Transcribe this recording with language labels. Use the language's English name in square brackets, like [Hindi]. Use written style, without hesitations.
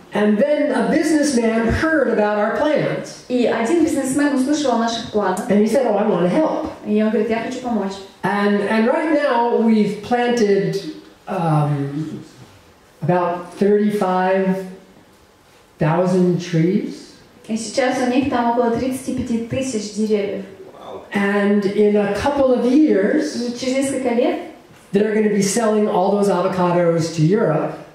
[English] And then a businessman heard about our plans. [Russian] И один бизнесмен услышал о наших планах. [English] And he said, "Oh, I want to help." [Russian] И он говорит, я хочу помочь. [English] And right now we've planted about 35,000 trees. [Russian] И сейчас у них там около 35 тысяч деревьев. [English] And in a couple of years, [Russian] через несколько лет, [English] they're going to be selling all those avocados to Europe.